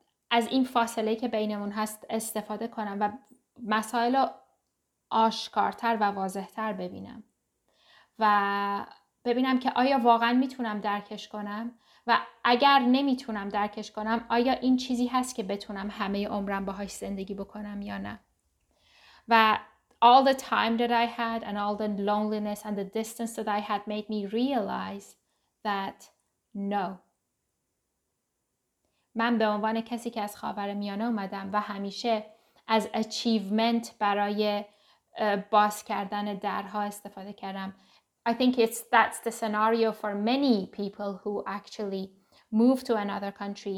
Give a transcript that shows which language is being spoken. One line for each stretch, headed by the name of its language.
Persian: از این فاصله که بینمون هست استفاده کنم و مسائل رو آشکارتر و واضحتر ببینم و ببینم که آیا واقعا میتونم درکش کنم و اگر نمیتونم درکش کنم آیا این چیزی هست که بتونم همه عمرم باهاش زندگی بکنم یا نه. و
English: all the time that I had and all the loneliness and the distance that I had made me realize that no.
Persian: من به عنوان کسی که از خاورمیانه اومدم و همیشه از
English: achievement
Persian: برای باز کردن درها استفاده کردم.
English: I think that's the scenario for many people who actually move to another country.